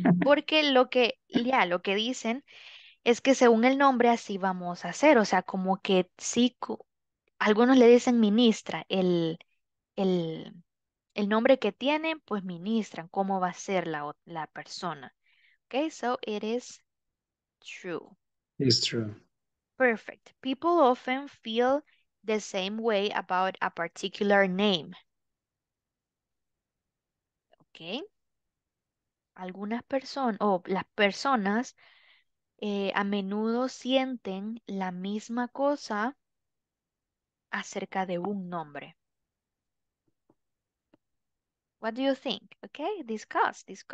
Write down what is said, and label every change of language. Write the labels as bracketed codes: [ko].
[es] Porque lo que dicen es que según el nombre así vamos a hacer. O sea, como que sí, algunos le dicen ministra, el nombre que tienen, pues ministran, cómo va a ser la persona. [en] Okay, so it is true. It's true. Perfect. People often feel the same way about a particular name. Okay. [es] Algunas personas, las personas a menudo sienten la misma cosa acerca de un nombre. [en] What do you think? Okay, discuss.